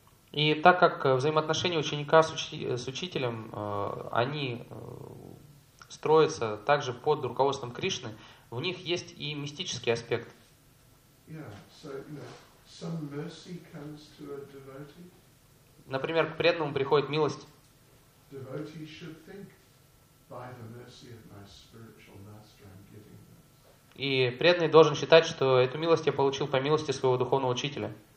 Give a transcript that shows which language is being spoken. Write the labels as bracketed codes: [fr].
[ru] И так как взаимоотношения ученика с учителем, они строятся также под руководством Кришны, в них есть и мистический аспект. [en] Yeah, so you know, some mercy comes to a devotee. [ru] Например, к преданному приходит милость. [en] Devotee should think by the mercy of my spiritual master. [ru] И преданный должен считать, что эту милость я получил по милости своего духовного учителя.